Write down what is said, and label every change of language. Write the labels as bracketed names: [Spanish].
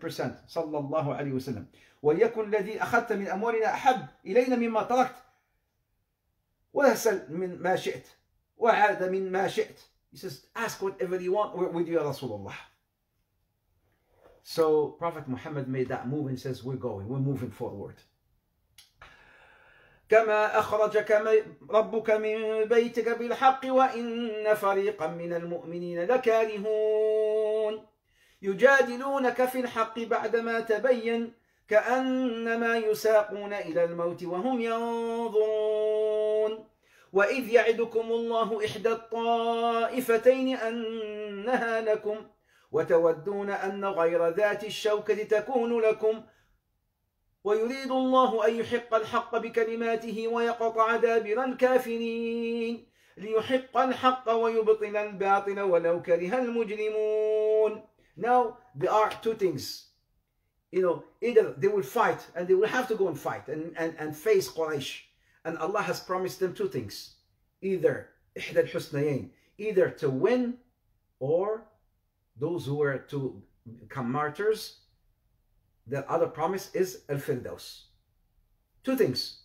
[Arabic] Sallallahu alayhi wa sallam. وَلْيَكُنْ الَّذِي أَخَذْتَ مِنْ أَمْوَالِنَا أَحَبُّ إِلَيْنَا مِمَّا تَرَكْتَ وَأَسْأَلْ مِنْ مَا شِئْتَ وَعَذَ مِنْ مَا شِئْتَ. [English] He says, ask whatever you want with you, Rasulullah. So Prophet Muhammad made that move and says, we're going, we're moving forward. [Arabic] كَمَا أَخْرَجَكَ رَبُّكَ مِنْ بَيْتِكَ بِالْحَقِّ وَإِنَّ فَرِيقًا مِنَ الْمُؤْمِنِينَ لَكَارِهُونَ يُجَادِلُونَكَ فِي الْحَقِّ بَعْدَمَا تَبَيَّنَ كأنما يساقون إلى الموت وهم ينظرون وإذ يعدكم الله إحدى الطائفتين أنها لكم وتودون أن غير ذات الشوكة تكون لكم ويريد الله أن يحق الحق بكلماته ويقطع دابر الكافرين ليحق الحق ويبطل الباطل ولو كره المجرمون. [English] Now there are two things. You know, either they will fight and they will have to go and fight and face Quraysh. And Allah has promised them two things. Either [Arabic] إِحْدَى الْحُسْنَيَيْنِ, [English] either to win, or those who were to become martyrs, the other promise is الْفِرْدَوْسِ. Two things.